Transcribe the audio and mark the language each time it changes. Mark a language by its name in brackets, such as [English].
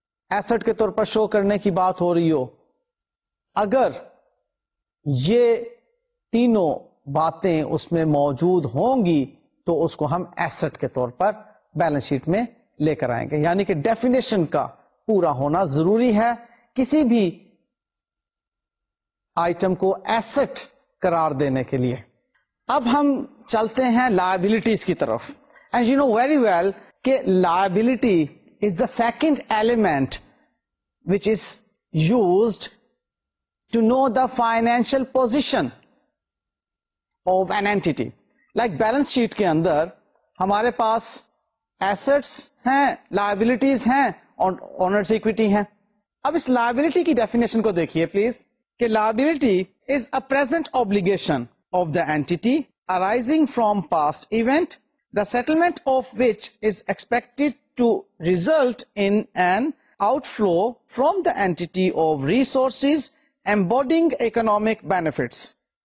[Urdu] Asset کے طور پر شو کرنے کی بات ہو رہی ہو, اگر یہ تینوں باتیں اس میں موجود ہوں گی تو اس کو ہم ایسٹ کے طور پر بیلنس شیٹ میں لے کر آئیں گے. یعنی کہ ڈیفینیشن کا پورا ہونا ضروری ہے کسی بھی آئٹم کو ایسٹ قرار دینے کے لیے. اب ہم چلتے ہیں لائبلٹیز کی طرف. [English] And you know very well کہ liability is the second element which is used to know the financial position of an entity. [Urdu] Like balance sheet کے اندر ہمارے پاس ایسٹس ہیں, لائبلٹیز ہیں, اونرز ایکویٹی ہیں. اب اس لائبلٹی کی ڈیفینیشن کو دیکھیے پلیز, [English] کہ liability is a present obligation of the entity arising from past event, the settlement of which is expected to result in an outflow from the entity of resources embodying economic benefits.